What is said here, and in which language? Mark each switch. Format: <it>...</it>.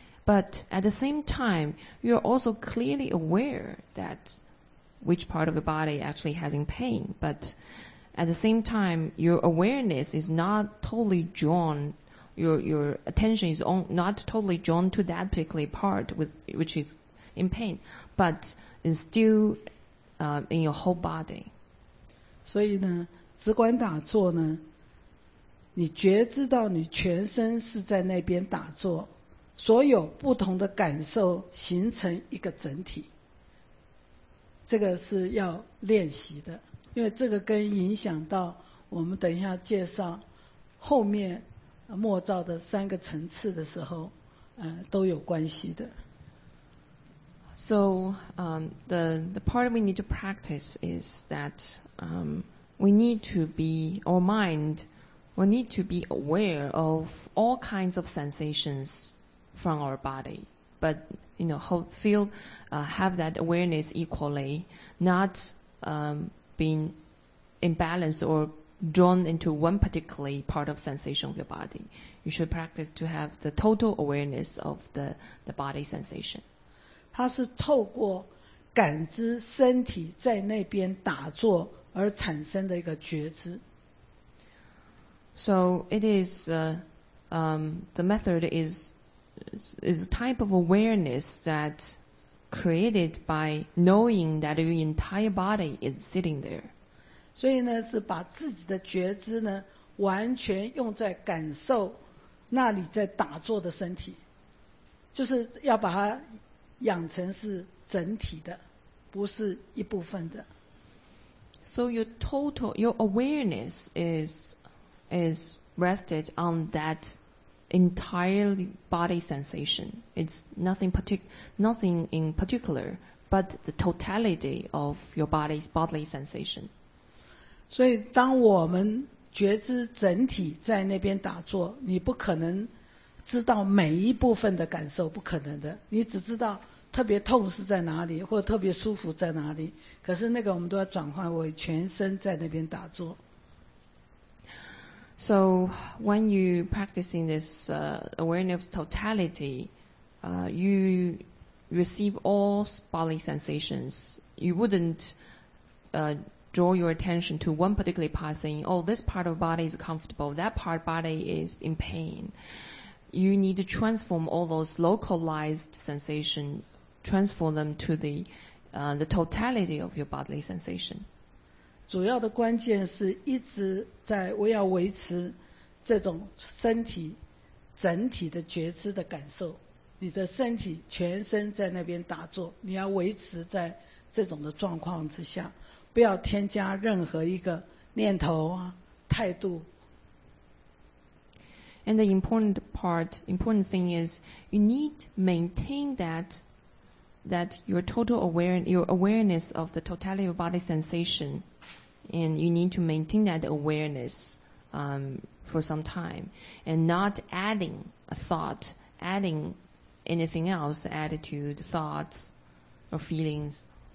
<en>But at the same time, you're also clearly aware that which part of your body actually has pain. But at the same time, your awareness is not totally drawn, your attention is not totally drawn to that particular part which is in pain, but is still in your whole body.</en> <zh>所以呢，直观打坐呢，你觉知到你全身是在那边打坐，所有不同的感受形成一个整体，这个是要练习的，因为这个跟影响到我们等一下介绍后面末照的三个层次的时候都有关系的。</zh> <en>So the part we need to practice is that we need to be our mind we need to be aware of all kinds of sensations from our body, but have that awareness equally, not being imbalanced or drawn into one particular part of sensation of your body. You should practice to have the total awareness of the body sensation.</en> <zh>它是透过感知身体在那边打坐而产生的一个觉知。</zh> <en>So it is the method is a type of awareness that created by knowing that your entire body is sitting there.</en> <zh>所以呢，是把自己的觉知呢，完全用在感受那里在打坐的身体，就是要把它养成是整体的，不是一部分的。</zh> <en>So your awareness is rested on that entire body sensation. It's nothing in particular, but the totality of your body's bodily sensation.</en> <zh>所以当我们觉知整体在那边打坐，你不可能知道每一部分的感受，不可能的。你只知道特别痛是在哪里，或者特别舒服在哪里。可是那个我们都要转换为全身在那边打坐。</zh> <en>So when you practice in this awareness totality, you receive all bodily sensations. You wouldn't draw your attention to one particular part saying, oh, this part of body is comfortable, that part of body is in pain. You need to transform all those localized sensations, transform them to the totality of your bodily sensation.</en> <zh>主要的关键是一直在我要维持这种身体整体的觉知的感受，你的身体全身在那边打坐，你要维持在这种的状况之下，不要添加任何一个念头啊态度。</zh> <en>And the important thing is you need maintain that your total awareness of the totality of body sensationAnd you need to maintain that awareness for some time and not adding a thought, adding anything else, attitude, thoughts, or feelings.</en>